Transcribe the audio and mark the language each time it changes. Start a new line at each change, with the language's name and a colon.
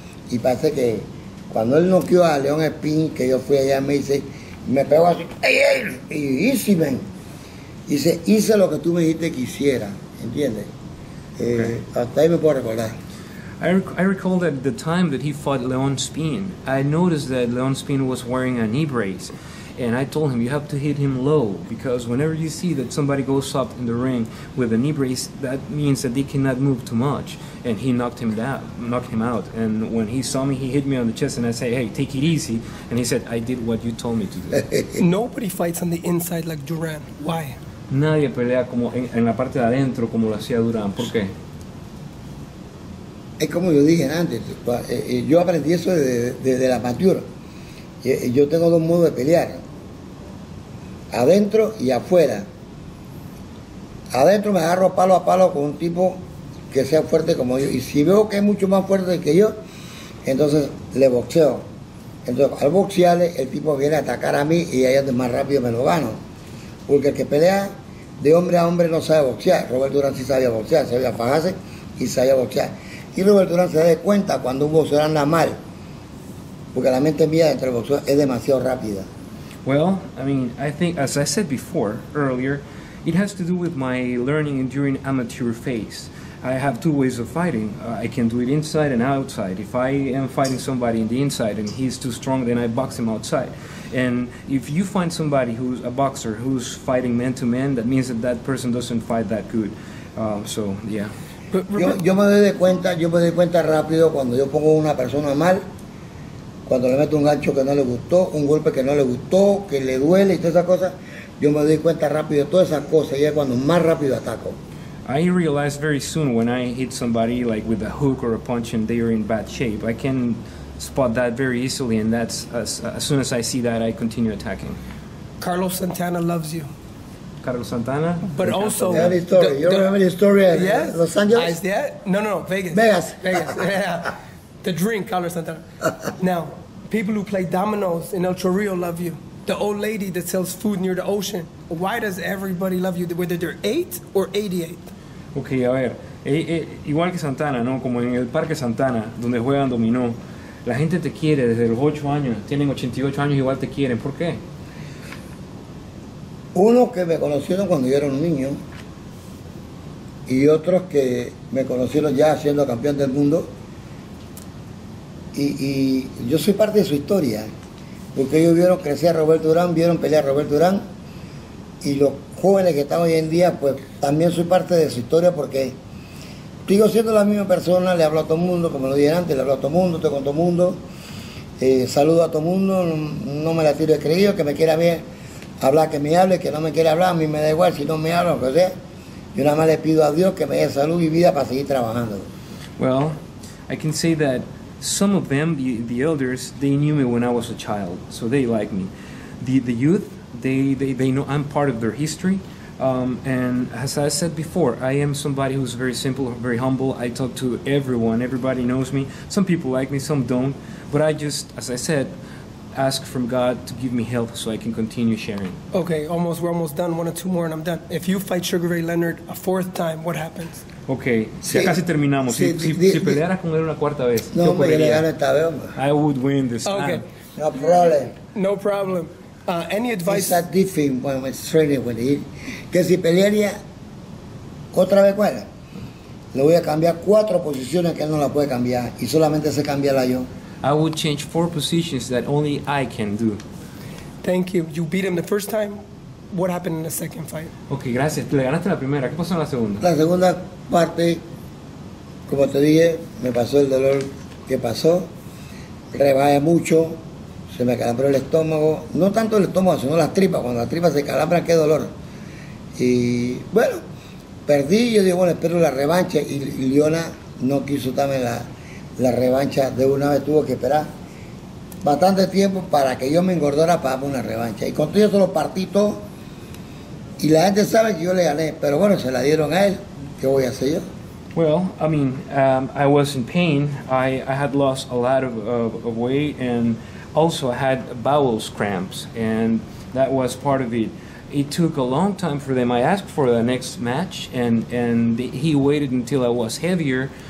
Spanish: Y parece que cuando él noqueó a Leon Spinks, que yo fui allá, me dice, me pegó así, ¡ay, ay! Y
English: easy, man.
Spanish: Dice, hice lo que tú me dijiste que hiciera, ¿entiendes? Okay. Hasta ahí me puedo recordar.
English: I recall that the time that he fought Leon Spinks, I noticed that Leon Spinks was wearing a knee brace. And I told him, you have to hit him low, because whenever you see that somebody goes up in the ring with a knee brace, that means that they cannot move too much. And he knocked him out. And when he saw me, he hit me on the chest, and I said, hey, take it easy. And he said, I did what you told me to do. Nobody fights on the inside like Duran. Why?
Spanish: Nadie pelea como en la parte de adentro como lo hacía Duran. ¿Por qué? Es como yo dije antes, yo aprendí eso de la matura. Yo tengo dos modos de pelear, adentro y afuera. Adentro me agarro palo a palo con un tipo que sea fuerte como yo. Y si veo que es mucho más fuerte que yo, entonces le boxeo. Entonces al boxearle, el tipo viene a atacar a mí y ahí es más rápido me lo gano. Porque el que pelea de hombre a hombre no sabe boxear. Roberto Duran sí sabía boxear, sabía fajarse y sabía boxear. Y Roberto Duran se da cuenta cuando un boxeador anda mal. Porque la mente mía entre boxeo es demasiado rápida.
English: Well, I mean, I think, as I said before, earlier, it has to do with my learning during amateur phase. I have two ways of fighting. I can do it inside and outside. If I am fighting somebody in the inside and he's too strong, then I box him outside. And if you find somebody who's a boxer who's fighting man-to-man, that means that that person doesn't fight that good. So, yeah.
Spanish: Yo me doy cuenta rápido cuando yo pongo una persona mal. Cuando le meto un gancho que no le gustó, un golpe que no le gustó, que le duele y todas esas cosas, yo me doy cuenta rápido de todas esas cosas y es cuando más rápido ataco.
English: I realize very soon when I hit somebody like with a hook or a punch and they are in bad shape. I can spot that very easily, and that's as soon as I see that, I continue attacking. Carlos Santana loves you. Carlos Santana? But also... You have any story? You remember the story in Los Angeles? No, Vegas. Vegas. Yeah. The drink, Carlos Santana. Now, people who play dominoes in El Chorrillo love you. The old lady that sells food near the ocean. Why does everybody love you, whether they're 8 or 88?
Spanish: Okay, a ver. Igual que Santana, ¿no? Como en el Parque Santana, donde juegan dominó. La gente te quiere desde los 8 años. Tienen 88 años, igual te quieren. ¿Por qué? Uno que me conocieron cuando yo era un niño. Y otros que me conocieron ya siendo campeón del mundo. Y yo soy parte de su historia, porque ellos vieron crecer a Roberto Duran, vieron pelear a Roberto Duran, y los jóvenes que están hoy en día, pues también soy parte de su historia, porque sigo siendo la misma persona, le hablo a todo el mundo, como lo dije antes, le hablo a todo el mundo, estoy con todo el mundo, saludo a todo el mundo, no me la tiro de creído, que me quiera bien hablar, que me hable, que no me quiera hablar, a mí me da igual si no me habla, o sea, yo nada más le pido a Dios que me dé salud y vida para seguir trabajando.
English: Well, I can say that some of them, the elders, they knew me when I was a child, so they like me. The youth, they know I'm part of their history. And as I said before, I am somebody who's very simple, very humble. I talk to everyone. Everybody knows me. Some people like me, some don't. But I just, as I said, ask from God to give me health so I can continue sharing. Okay, we're almost done. One or two more and I'm done. If you fight Sugar Ray Leonard a fourth time, what happens?
Spanish: Okay, si casi terminamos. Si pelearas con él una cuarta vez, no, yo pelearía. Gano esta vez, hombre.
English: I would win this time. Okay. No problem. No problem. Any advice? It's a different when we're training with him.
Spanish: Que si pelearía otra vez cuál, le voy a cambiar cuatro posiciones que él no la puede cambiar y solamente se cambia la yo.
English: I would change four positions that only I can do. Thank you. You beat him the first time, What happened in the second fight?
Spanish: Okay, gracias. Le ganaste la primera. ¿Qué pasó en la segunda? La segunda parte, como te dije, me pasó el dolor que pasó. Rebajé mucho. Se me calambró el estómago. No tanto el estómago, sino las tripas. Cuando las tripas se calambran, qué dolor. Y bueno, perdí. Yo digo, bueno, espero la revancha. Y Leona no quiso darme la revancha de una vez. Tuvo que esperar bastante tiempo para que yo me engordara para darme una revancha. Y con todo eso lo partí todo. Y la gente sabe que yo le gané, pero bueno, se la dieron a él. ¿Qué voy a hacer yo?
English: Well, I mean, I was in pain. I had lost a lot of weight, and also I had bowel cramps, and that was part of it. It took a long time for them. I asked for the next match, and he waited until I was heavier.